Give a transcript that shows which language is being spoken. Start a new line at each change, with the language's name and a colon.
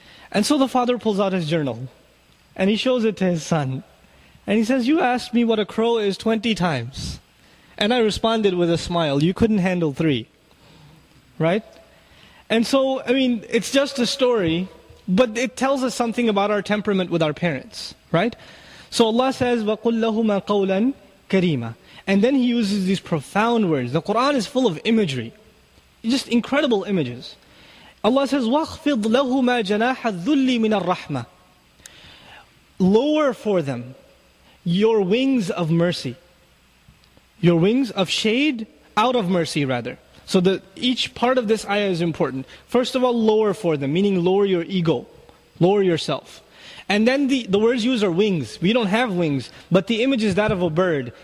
English: And so the father pulls out his journal and he shows it to his son. And he says, "You asked me what a crow is 20 times. And I responded with a smile. You couldn't handle 3. Right? And so, I mean, it's just a story, but it tells us something about our temperament with our parents. Right?
Arabic: So Allah says, وَقُلْ لَهُمَا قَوْلًا كَرِيمًا.
English: And then he uses these profound words. The Quran is full of imagery. Just incredible images.
Arabic: Allah says, وَخْفِضْ لَهُمَا جَنَاحَ الذُّلِّ مِنَ الرَّحْمَةِ.
English: Lower for them your wings of mercy. Your wings of shade, out of mercy rather. So each part of this ayah is important. First of all, lower for them, meaning lower your ego, lower yourself. And then the words used are wings. We don't have wings, but the image is that of a bird.